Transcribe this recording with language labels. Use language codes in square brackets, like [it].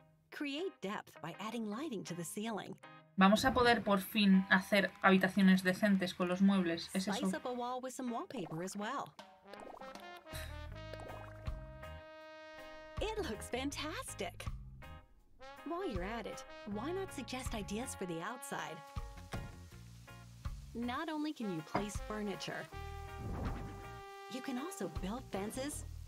[en] Create depth by adding lighting to the ceiling. [es] Vamos a poder por fin hacer habitaciones decentes con los muebles, ¿es eso? [en] Slice up a wall with some wallpaper as well. It looks fantastic. While you're at it, why not suggest ideas for the outside? Not only can you place furniture, you can also build fences.